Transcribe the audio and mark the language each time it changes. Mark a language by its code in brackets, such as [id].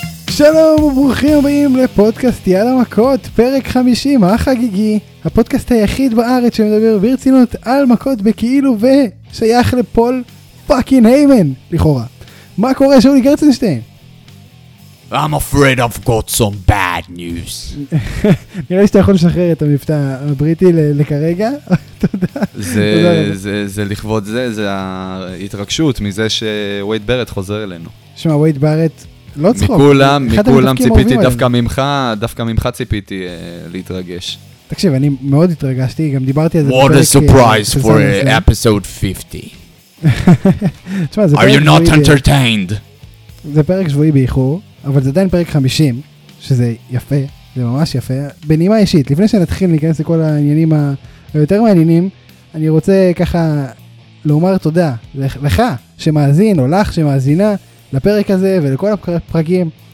[he] שלום וברוכים הבאים לפודקאסט יאללה מכות, פרק 50, החגיגי, הפודקאסט היחיד בארץ שמדבר ברצינות על מכות בכאילו ושייך לפול פאקינג היימן, לכאורה. מה קורה, שאולי גרצנשטיין? [en] I'm afraid I've got some bad news. [he] נראה לי שאתה יכול לשחרר את המבטא הבריטי לכרגע. תודה. זה לכבוד זה, זה ההתרגשות מזה שווייד ברט חוזר אלינו. שמה, ווייד ברט, לא צחוק. מכולם ציפיתי דווקא ממך ציפיתי להתרגש. תקשיב, אני מאוד התרגשתי, גם דיברתי על זה. [en] What a surprise for episode 50. [he] תשמע, זה פרק [en] Are you not entertained? [he] זה פרק שבועי באיחור. אבל זה עדיין פרק 50, שזה יפה, זה ממש יפה. בנימה אישית, לפני שנתחיל להיכנס לכל העניינים היותר מעניינים, אני רוצה ככה לומר תודה לך שמאזין, או לך שמאזינה לפרק הזה ולכל הפרקים.